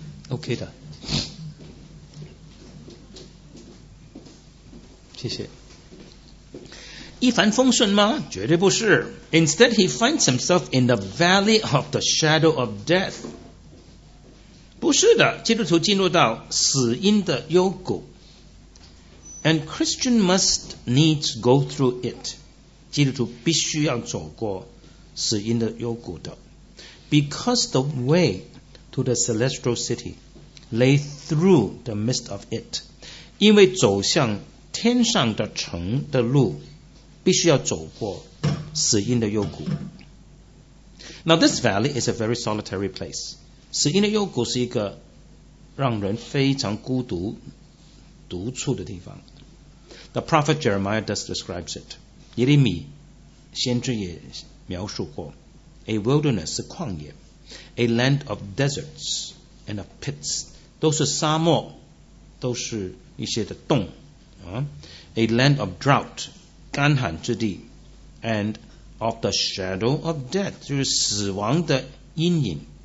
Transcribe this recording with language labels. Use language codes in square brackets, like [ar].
[zh] Okay, 的谢谢一帆风顺吗？绝对不是。 [en] Instead, he finds himself in the valley of the shadow of death. [zh] 不是的，基督徒进入到死荫的幽谷。 [en] And Christian must needs go through it. [zh] 基督徒必须要走过死荫的幽谷的。 [en] Because the way to the celestial city lay through the midst of it. [zh] 因为走向天上的城的路必须要走过死荫的幽谷。 [en] Now this valley is a very solitary place. [zh] 死荫的幽谷是一个让人非常孤独、独处的地方。 [en] The prophet Jeremiah thus describes it. [zh] 耶利米先知也描述过 [en] A wilderness [zh] 是旷野 [en] A land of deserts and of pits [zh] 都是沙漠都是一些的洞、啊、 [en] A land of drought [zh] 干旱之地 [en] And of the shadow of death [zh] 就是死亡的阴影